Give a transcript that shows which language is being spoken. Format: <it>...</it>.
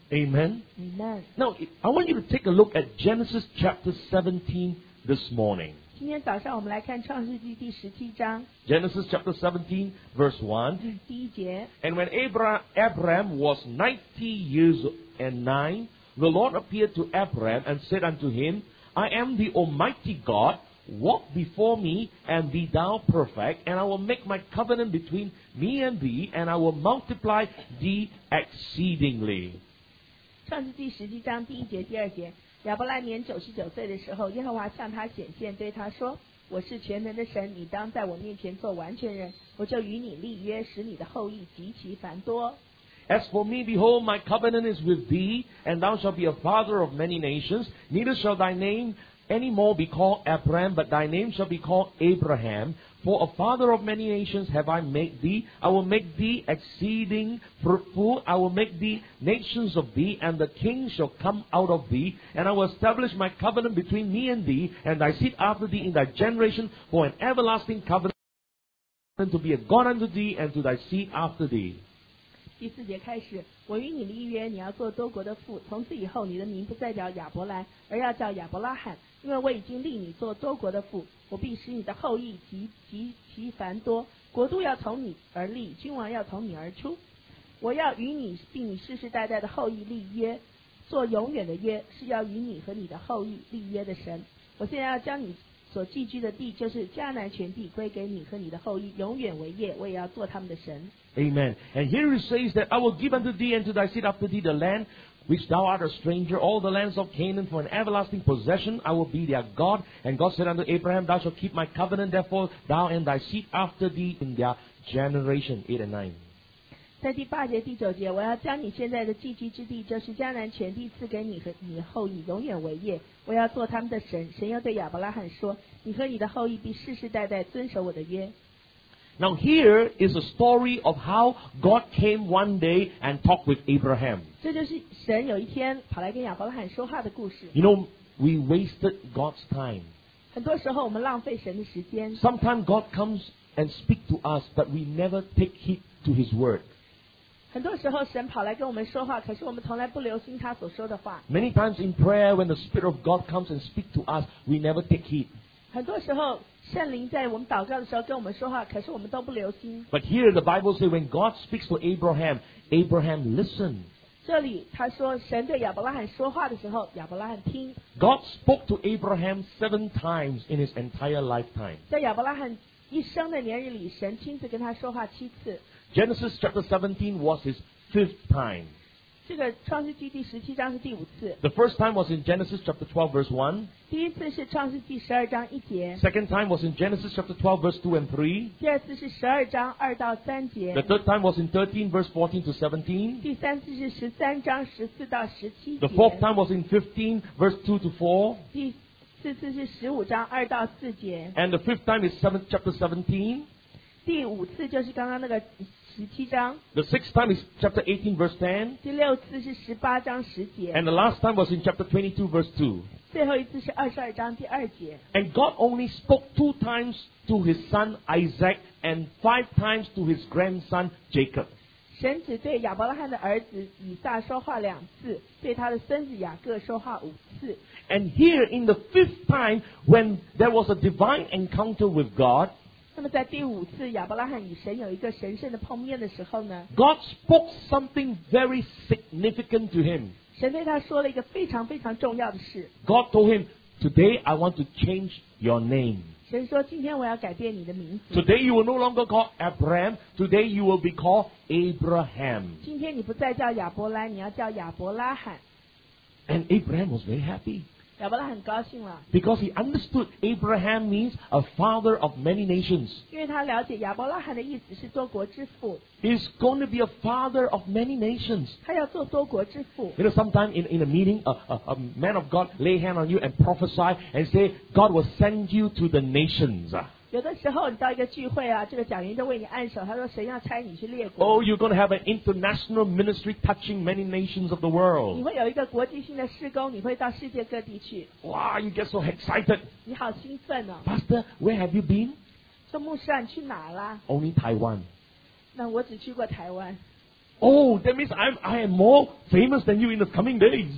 <en>Amen. Amen. Now, I want you to take a look at Genesis chapter 17 this morning.</en> <zh>今天早上我们来看创世纪第十七章。</zh> <en>Genesis chapter 17, verse 1.</en> <zh>第一节。</zh> <en>And when Abraham was 90 years and 9, the Lord appeared to Abraham and said unto him, "I am the Almighty God. Walk before me, and be thou perfect, and I will make my covenant between me and thee, and I will multiply thee exceedingly."</en> <zh>创世纪十七章第一节第二节，亚伯拉年九十九岁的时候，耶和华向他显现，对他说：“我是全能的神，你当在我面前做完全人，我就与你立约，使你的后裔极其繁多。”</zh> <en>As for me, behold, my covenant is with thee, and thou shalt be a father of many nations. Neither shall thy nameAny more be called Abraham, but thy name shall be called Abraham. For a father of many nations have I made thee. I will make thee exceeding fruitful. I will make thee nations of thee, and the king shall come out of thee. And I will establish my covenant between me and thee, and thy seed after thee in thy generation, for an everlasting covenant to be a God unto thee and to thy seed after thee.</en> <zh>第四节开始，我与你立约，你要做多国的父，从此以后你的名不再叫亚伯兰，而要叫亚伯拉罕，因为我已经立你做多国的父，我必使你的后裔极繁多，国度要从你而立，君王要从你而出。我要与你并你世世代代的后裔立约，做永远的约，是要与你和你的后裔立约的神。我现在要将你所寄居的地，就是迦南全地，归给你和你的后裔，永远为业，我也要做他们的神。</zh> <en>Amen. And here it says that I will give unto thee and to thy seed after thee the land which thou art a stranger, all the lands of Canaan for an everlasting possession. I will be their God. And God said unto Abraham, thou shalt keep my covenant, therefore thou and thy seed after thee in their generation. 8 and 9.</en> <zh>在第八节第九节，我要将你现在的寄居之地，就是迦南全地，赐给你和你后裔，永远为业。我要做他们的神。神又对亚伯拉罕说：“你和你的后裔必世世代代遵守我的约。”</zh> <en>Now here is a story of how God came one day and talked with Abraham.</en> <zh>这就是神有一天跑来跟亚伯拉罕说话的故事。</zh> <en>You know, we wasted God's time.</en> <zh>很多时候我们浪费神的时间。</zh> <en>Sometimes God comes and speaks to us, but we never take heed to His word.</en> <zh>很多时候神跑来跟我们说话，可是我们从来不留心他所说的话。</zh> <en>Many times in prayer, when the Spirit of God comes and speaks to us, we never take heed.</en> <zh>很多时候圣灵在我们祷告的时候跟我们说话，可是我们都不留心。</zh> <en>But here the Bible says when God speaks to Abraham, Abraham listened.</en> <zh>这里他说神对亚伯拉罕说话的时候，亚伯拉罕听。</zh> <en>God spoke to Abraham 7 times in his entire lifetime.</en> <zh>在亚伯拉罕一生的年日里，神亲自跟他说话七次。</zh> <en>Genesis chapter 17 was his fifth time.</en> <zh>这个创世纪第十七章是第五次。</zh> <en>The first time was in Genesis chapter 12 verse 1.</en> <zh>第一次是创世纪十二章一节。</zh> <en>Second time was in Genesis chapter 12 verse 2 and 3.</en> <zh>第二次是十二章二到三节。</zh> <en>The third time was in 13 verse 14 to 17.</en> <zh>第三次是十三章十四到十七节。</zh> <en>The fourth time was in 15 verse 2 to 4.</en> <zh>第四次是十五章二到四节。</zh> <en>And the fifth time is chapter 17.</en> <zh>第五次就是刚刚那个十七章。</zh> <en>The sixth time is chapter 18 verse 10.</en> <zh>第六次是十八章十节。</zh> <en>And the last time was in chapter 22 verse 2.</en> <zh>最后一次是二十二章第二节。</zh> <en>And God only spoke two times to his son Isaac and five times to his grandson Jacob.</en> <zh>神只对亚伯拉罕的儿子以撒说话两次，对他的孙子雅各说话五次。</zh> <en>And here in the fifth time when there was a divine encounter with God,</en> <zh>那么在第五次亚伯拉罕与神有一个神圣的碰面的时候呢，</zh> <en>God spoke something very significant to him.</en> <zh>神对他说了一个非常非常重要的事。</zh> <en>God told him, Today I want to change your name.</en> <zh>神说今天我要改变你的名字。</zh> <en>Today you will no longer call Abraham, Today you will be called Abraham.</en> <zh>今天你不再叫亚伯兰，你要叫亚伯拉罕。</zh> <en>And Abraham was very happy.</en> <zh>亚伯拉罕高兴了。</zh> <en>Because he understood Abraham means a father of many nations.</en> <zh>因为他了解亚伯拉罕的意思是多国之父。</zh> <en>He's going to be a father of many nations.</en> <zh>他要做多国之父。</zh> <en>You know, sometime in a meeting, a man of God lay hand on you and prophesy and say, God will send you to the nations.</en> <zh>有的时候你到一个聚会啊，这个讲员就为你按手，他说神要差你去列国。</zh> <en>Oh, you're going to have an international ministry touching many nations of the world.</en> <zh>你会有一个国际性的事工，你会到世界各地去。</zh> <en>Wow, you get so excited.</en> <zh>你好兴奋哦。</zh> <en>Pastor, where have you been?</en> <zh>说牧师啊，你去哪儿啦？</zh> <en>Only Taiwan.</en> <zh>那我只去过台湾。</zh> <en>Oh, that means I am more famous than you in the coming days.</en>